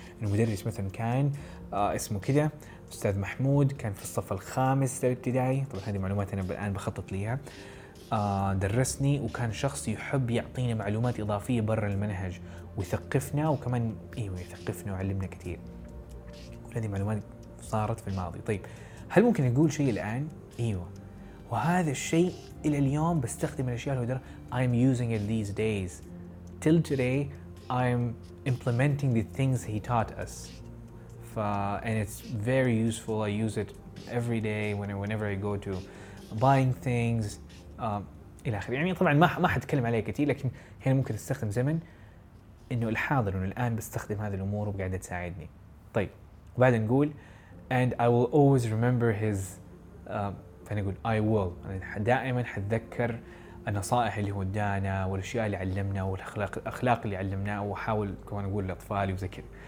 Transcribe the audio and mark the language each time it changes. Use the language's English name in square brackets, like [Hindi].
[Arabic] المدرس مثلا كان اسمه كذا استاذ محمود، كان في الصف الخامس الابتدائي، طبعا هذه معلومات انا الان بخطط ليها، درسني وكان شخص يحب يعطينا معلومات اضافيه برا المنهج ويثقفنا، وكمان ايوه يثقفنا وعلمنا كثير، كل هذه معلومات صارت في الماضي. طيب هل ممكن اقول شيء الان؟ ايوه، وهذا الشيء الى اليوم بستخدم الاشياء اللي درست، [English] I'm using it these days till today I'm implementing the things he taught us and it's very useful, I use it every day whenever I go to buying things [Arabic] الى اخره. يعني طبعا ما حتكلم عليه كثير، لكن هنا ممكن استخدم زمن انه الحاضر وانه الان بستخدم هذه الامور وبقاعدة تساعدني. طيب وبعد نقول [English] and I will always remember his [Arabic] فنقول [English] I will، [Arabic] انا دائما حتذكر النصائح اللي هو ادانا والاشياء اللي علمنا والاخلاق اللي علمناه، وحاول كمان اقول لاطفالي وذكر.